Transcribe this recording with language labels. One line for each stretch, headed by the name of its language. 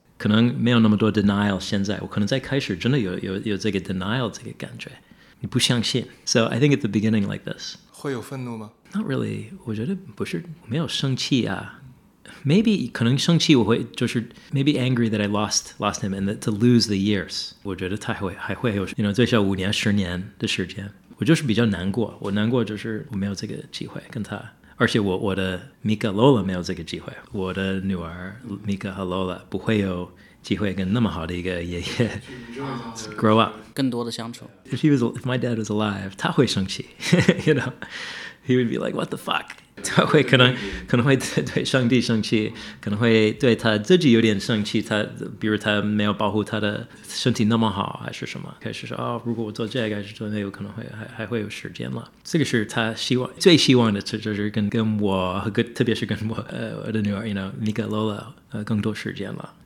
Chinese: 可能没有那么多 denial 现在，我可能在开始真的有这个 denial 这个感觉，你不相信。
English: So I think at the beginning like this.
Chinese: 会有愤怒吗？
English: Not really,
Chinese: 我觉得不是，没有生气啊。
English: Maybe,
Chinese: 可能生气我会就是
English: maybe angry that I lost him and that to lose the years.
Chinese: 我觉得他还会有
English: you know,
Chinese: 最少五年十年的时间。我就是比较难过，我难过就是我没有这个机会跟他。而且我的 Mika Lola 没有这个机会，我的女儿 Mika 和 Lola 不会有机会跟那么好的一个爷爷
English: grow up
Chinese: 更多的相处。
English: If my dad was alive,
Chinese: 他会生气，
English: you know, he would be like, what the fuck?
Chinese: 他会可能会对上帝生气，可能会对他自己有点生气。他比如他没有保护他的身体那么好，还是什么？开始说哦，如果我做这个，还是做那个，可能会还会有时间了。这个是他希望最希望的，就是跟我和跟特别是跟我的女儿 ，
English: you know,
Chinese: Mika Lola, 更多时间了。